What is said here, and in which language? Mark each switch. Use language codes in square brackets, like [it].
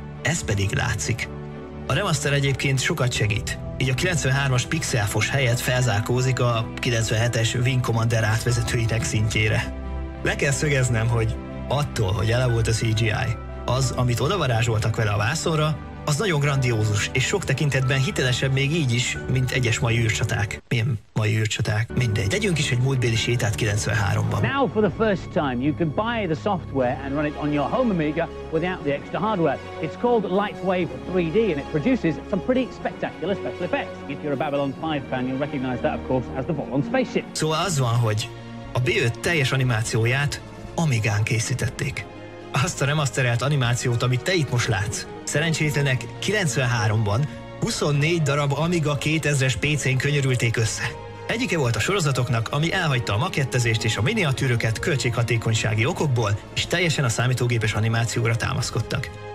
[hu] Ez pedig látszik. A remaster egyébként sokat segít, így a 93-as pixelfos helyett felzárkózik a 97-es Wing Commander átvezetőinek szintjére. Le kell szögeznem, hogy attól, hogy ele volt a CGI, az, amit odavarázsoltak vele a vászonra, az nagyon grandiózus, és sok tekintetben hitelesebb még így is, mint egyes mai űrcsaták. Milyen mai űrcsaták? Mindegy. Tegyünk is egy múltbéli sétát 93-ban. [en] Now for the first time you can buy the software and run it on your home Amiga without the extra hardware. It's called Lightwave 3D and it produces some pretty spectacular special effects. If you're a Babylon 5 fan, you'll recognize that of course as the Vorlon spaceship. [hu] Szóval az van, hogy a B5 teljes animációját Amigán készítették. Azt a remasterelt animációt, amit te itt most látsz, szerencsétlenek 93-ban 24 darab Amiga 2000-es PC-n könyörülték össze. Egyike volt a sorozatoknak, ami elhagyta a makettezést és a miniatűröket költséghatékonysági okokból, és teljesen a számítógépes animációra támaszkodtak.